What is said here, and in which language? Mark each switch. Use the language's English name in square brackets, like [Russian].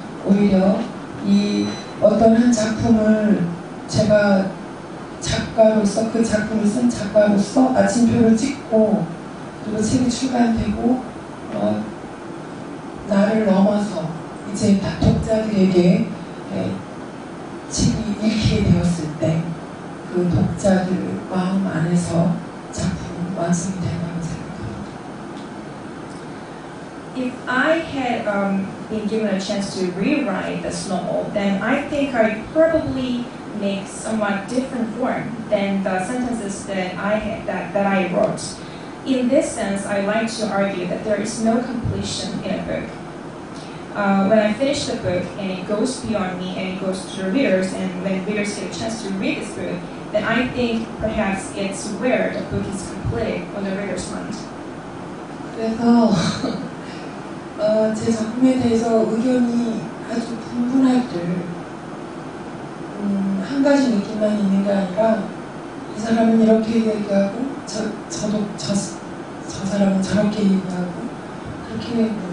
[Korean] 오히려 이 어떤 한 작품을 제가 작가로서 그 작품을 쓴 작가로서 마침표를 찍고 그리고 책이 출간되고 나를 넘어서 이제 독자들에게 책이 읽히게 되었을 때 그 독자들 마음 안에서 작품 완성이 된다고 생각합니다. [English] If I had been given a chance to rewrite the novel, then I think I probably make somewhat different form than the sentences that I wrote. In this sense, I like to argue that there is no completion in a book. When I finish the book and it goes beyond me and it goes to the readers and when readers get a chance to read this book, then I think perhaps it's where the book is completed on the reader's mind. [Korean] 그래서 제 작품에 대해서 의견이 아주 분분할들 한 가지 느낌만 있는 게 아니라 이 사람은 이렇게 얘기하고 저 사람은 저렇게 얘기하고 그렇게